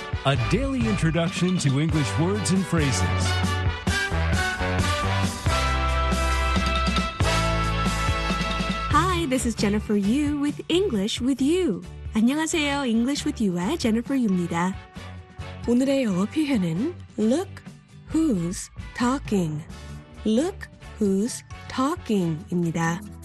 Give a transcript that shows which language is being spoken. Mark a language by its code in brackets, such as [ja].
[en] A daily introduction to English words and phrases. Hi, this is Jennifer Yu with English with You. [ko] 안녕하세요. English with You의 Jennifer Yu입니다. 오늘의 영어 표현은 [en] look who's talking. Look who's talking입니다.